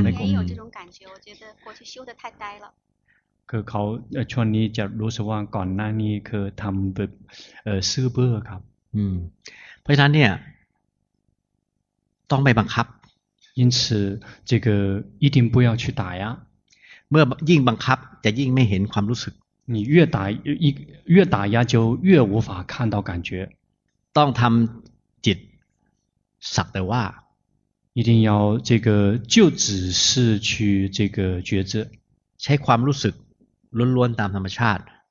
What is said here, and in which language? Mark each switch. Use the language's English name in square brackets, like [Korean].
[Chinese] 我这两天也有这种感觉，我觉得过去修的太呆了。 [Thai] คือเขาช่วงนี้จะรู้สึกว่าก่อนหน้านี้คือทำแบบซื่อเบ้อครับ。 เพราะฉะนั้นเนี่ยต้องไปบังคับ [Chinese] 因此这个一定不要去打压 [Thai] เมื่อยิ่งบังคับจะยิ่งไม่เห็นความรู้สึก [Chinese] 你越打压就越无法看到感觉 [Thai] ต้องทำจิตสักแต่ว่า [Chinese] 一定要这个就只是去这个觉知 [Thai] ใช้ความรู้สึกล้วนๆตามธรรมชาติ